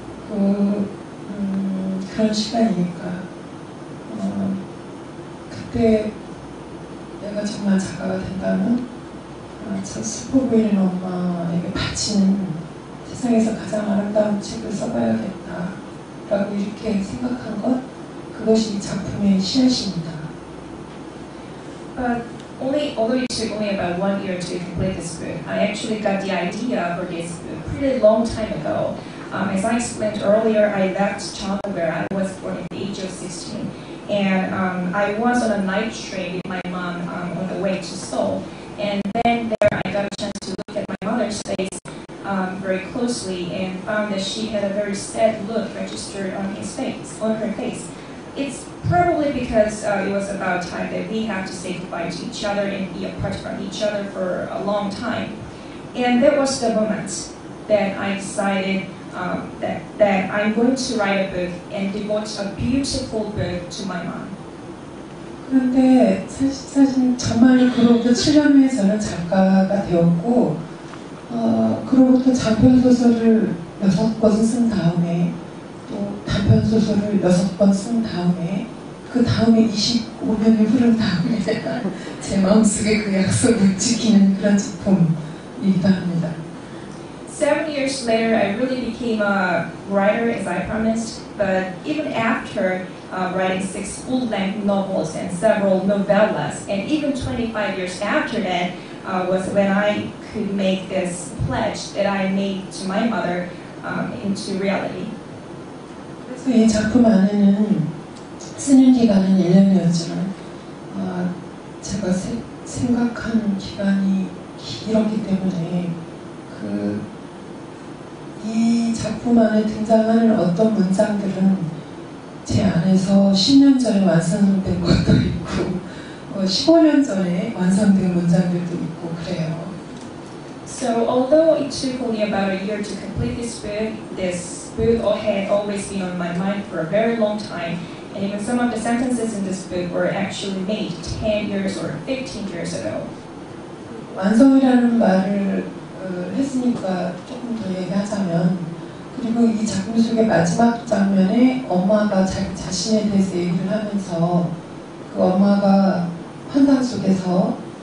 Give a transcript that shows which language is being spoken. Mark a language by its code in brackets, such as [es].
[ko] 그 그런 시간이니까 그때 내가 정말 작가가 된다면 제 슬퍼 보이는 엄마에게 바친 세상에서 가장 아름다운 책을 써봐야겠다 라고 이렇게 생각한 것 그것이 작품의 시작입니다. [en] But only although it took only about 1 year to complete this book, I actually got the idea for this book pretty long time ago. As I explained earlier, I left China where I was born at the age of 16, and I was on a night train with my mom on the way to Seoul, and then there I got a chance to look at my mother's face very closely and found that she had a very sad look registered on his face, on her face. It's probably because it was about time that we have to say goodbye to each other and be apart from each other for a long time. And that was the moment that I decided that I'm going to write a book and devote a beautiful book to my mom. [ko] 그런데 사실 정말 그로부터 7년 후에 저는 작가가 되었고 그로부터 작품 소설을 6권 쓴 다음에 또 단편 소설을 6권 쓴 다음에 그 다음에 25년이 흐른 다음에 제가 제 마음속에 그 약속을 지키는 그런 작품이기도 합니다. [en] 7 years later, I really became a writer as I promised, but even after writing 6 full-length novels and several novellas, and even 25 years after that was when I could make this pledge that I made to my mother into reality. [ko] 그래서 이 작품 안에는 쓰는 기간은 1년이었지만 제가 생각한 기간이 길었기 때문에 그 이 작품 안에 등장하는 어떤 문장들은 제 안에서 10년 전에 완성된 것도 있고 15년 전에 완성된 문장들도 있고 그래요. [en] So although it took only about a year to complete this book, this book had always been on my mind for a very long time, and even some of the sentences in this book were actually made 10 years or 15 years ago. [ko] 완성이라는 말을 했으니까 조금 더 얘기하자면 그리고 이 작품 속의 마지막 장면에 엄마가 자기 자신에 대해서 얘기를 하면서 그 엄마가 환상 속에서